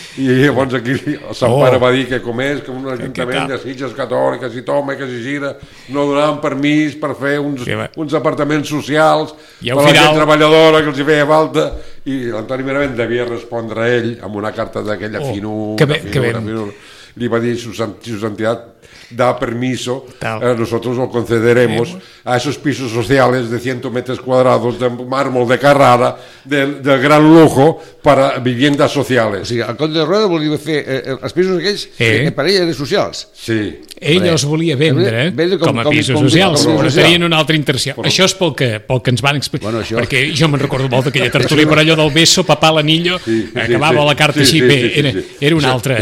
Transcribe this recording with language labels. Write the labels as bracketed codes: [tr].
[ca] I llavors aquí el seu pare va dir que com és, que un ajuntament de Sitges catòliques i tòmeques i gira no donaven permís per fer uns apartaments socials i per la gent treballadora que els hi feia falta. I l'Antoni Miravent devia respondre a ell amb una carta d'aquella finura. Li va dir [es] su santidad da permiso, nosotros lo concederemos a esos pisos sociales de 100 metros cuadrados de mármol de Carrara, del gran lujo, para viviendas sociales. [ca] O sigui, el Conde de Rueda volia fer els pisos aquells que per ell eren socials. Sí. Ell els volia vendre com a pisos socials, però serien una altra intenció. Però... Això és pel que ens van explicar, bueno, això... perquè jo me'n recordo molt d'aquella tertulia per allò del beso, papà l'anillo, acabava la carta així, era una altra.